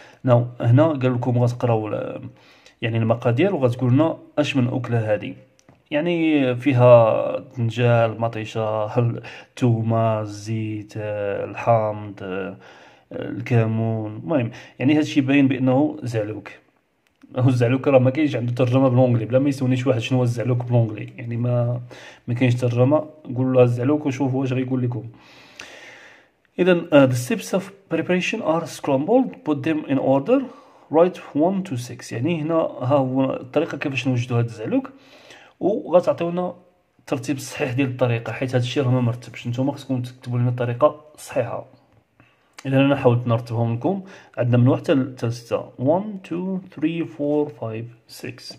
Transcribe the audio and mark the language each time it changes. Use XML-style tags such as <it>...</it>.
<ar>نو هنا قال لكم غتقراو يعني المقادير وغتقول لنا اش من اكلة هذه، يعني فيها دنجال، مطيشة، التومة، الزيت، الحامض، الكمون، المهم يعني هذا الشيء باين بانه زعلوك. هو الزعلوك راه ما كاينش عنده ترجمه بالانجلي، بلا ما يسونيش واحد شنو هو الزعلوك بالانجلي، يعني ما كاينش ترجمه، قول له الزعلوك وشوف واش غيقول لكم.</ar> <en>اذا the steps of preparation are scrambled, put them in order, write 1 to 6.</en> <ar>يعني هنا ها هو الطريقه كيفاش نوجدوا هذا الزعلوك، وغتعطيونا الترتيب الصحيح ديال الطريقه، حيت هذا الشيء راه ما مرتبش، نتوما خصكم تكتبوا لنا الطريقه الصحيحه. اذا انا حاولت نرتبهم لكم، عندنا من واحد حتى 6، 1 2 3 4 5 6.</ar>